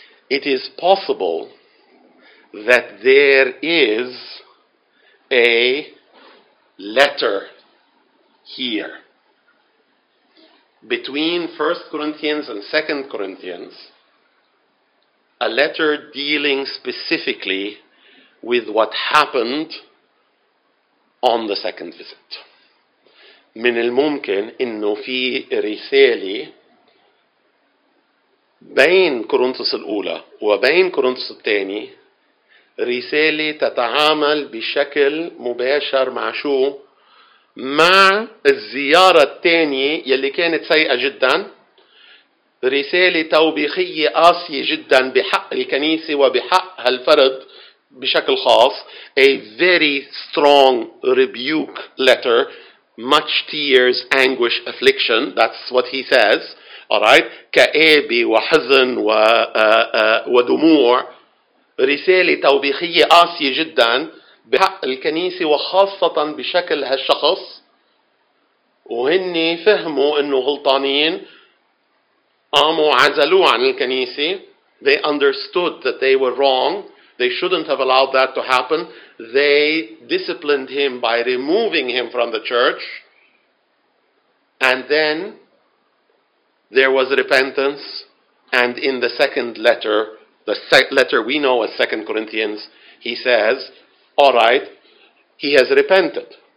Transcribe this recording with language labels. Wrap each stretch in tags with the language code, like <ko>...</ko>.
<en>It is possible that there is a letter here between 1 Corinthians and 2 Corinthians, a letter dealing specifically with what happened on the second visit.</en> <ar>من الممكن إنه في رسالة بين كورنثوس الأولى وبين كورنثوس الثاني, رسالة تتعامل بشكل مباشر مع شو؟ مع الزيارة الثانية يلي كانت سيئة جدا, رسالة توبيخية قاسية جدا بحق الكنيسة وبحق هالفرد بشكل خاص.</ar> <en>A very strong rebuke letter, much tears, anguish, affliction. That's what he says. All right.</en> <ar>كآبة وحزن ودموع. رسالة توبيخية قاسية جدا بحق الكنيسة وخاصة بشكل هالشخص. وهني فهموا انه غلطانين, قاموا عزلوا عن الكنيسة.</ar> <en>They understood that they were wrong. They shouldn't have allowed that to happen. They disciplined him by removing him from the church. And then there was repentance. And in the second letter, the letter we know as 2 Corinthians, he says, all right, he has repented.</en>